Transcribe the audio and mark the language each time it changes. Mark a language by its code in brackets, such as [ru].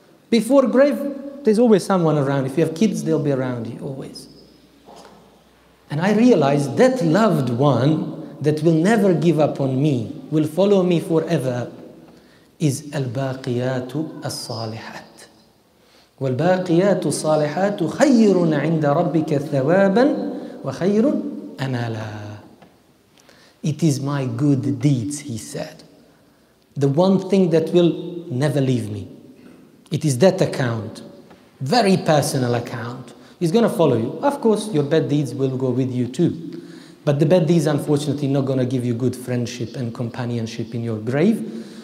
[en] Before grave, there's always someone around. If you have kids, they'll be around you, always. And I realized that loved one that will never give up on me, will follow me forever, is [ar] الباقيات الصالحات. والباقيات الصالحات خير عند ربك ثوابا وخير أملا. [en] It is my good deeds, he said. The one thing that will never leave me. It is that account, very personal account. He's going to follow you. Of course, your bad deeds will go with you too. But the bad deeds, unfortunately, not going to give you good friendship and companionship in your grave.